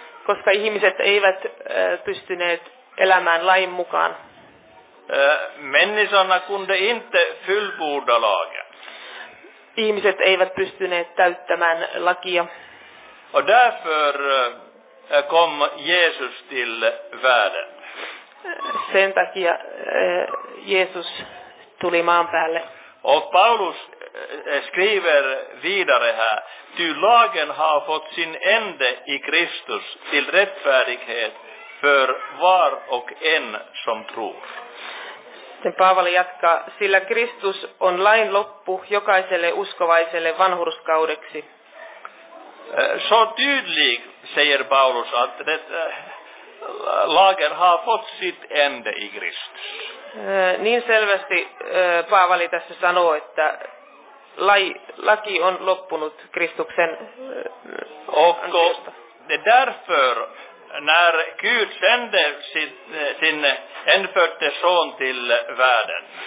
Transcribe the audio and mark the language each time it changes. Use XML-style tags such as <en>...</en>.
<fi>Koska ihmiset eivät pystyneet elämään lain mukaan.</fi> <sv>Människorna kunde inte fullborda lagen.</sv> <fi>Ihmiset eivät pystyneet täyttämään lakia.</fi> <sv>Och därför kom Jesus till världen.</sv> <fi>Sen takia Jesus tuli maan päälle.</fi> <sv>Och Paulus skriver vidare här. Ty lagen har fått sin ände i Kristus till rättfärdighet för var och en som tror.</sv> <fi>Sen Paavali jatkaa, sillä Kristus on lain loppu jokaiselle uskovaiselle vanhurskaudeksi.</fi> <sv>Så tydlig, säger Paulus, att det, lagen har fått sitt ände i Kristus.</sv> <fi>Niin selvästi Paavali tässä sanoo, että laki on loppunut Kristuksen ansiosta.</fi> <sv>Och därför, när Gud sände sin enfödde son till världen.</sv>